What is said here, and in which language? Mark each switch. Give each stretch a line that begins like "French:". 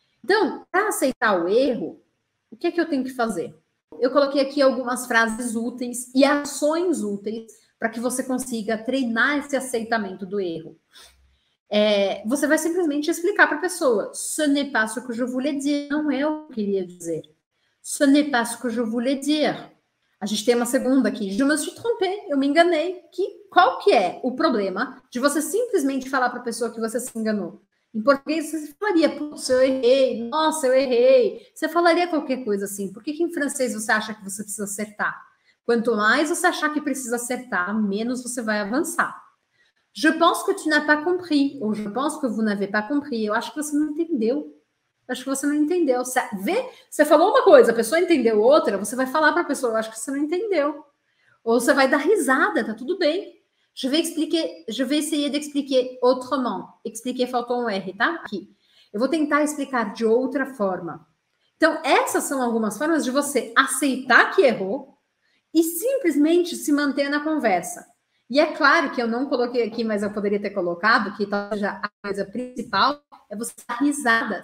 Portuguese: Então, para aceitar o erro, o que é que eu tenho que fazer? Eu coloquei aqui algumas frases úteis e ações úteis para que você consiga treinar esse aceitamento do erro. Você vai simplesmente explicar para a pessoa:
French: Ce n'est pas ce que je voulais dire,
Portuguese: não é o que eu queria dizer.
French: Ce n'est pas ce que je voulais dire.
Portuguese: A gente tem uma segunda aqui:
French: Je me suis trompé,
Portuguese: eu me enganei. Qual que é o problema de você simplesmente falar para a pessoa que você se enganou? Em português, você falaria, putz, eu errei, nossa, eu errei. Você falaria qualquer coisa assim. Por que que em francês você acha que você precisa acertar? Quanto mais você achar que precisa acertar, menos você vai avançar.
French: Je pense que tu n'as pas compris. Ou je pense que vous n'avez pas compris.
Portuguese: Eu acho que você não entendeu. Eu acho que você não entendeu. Você falou uma coisa, a pessoa entendeu outra, você vai falar para a pessoa, eu acho que você não entendeu. Ou você vai dar risada, tá tudo bem.
French: Je vais essayer d'expliquer autrement.
Portuguese: Expliquer, faltou um R, tá? Aqui. Eu vou tentar explicar de outra forma. Então, essas são algumas formas de você aceitar que errou e simplesmente se manter na conversa. E é claro que eu não coloquei aqui, mas eu poderia ter colocado, que talvez a coisa principal é você dar risada.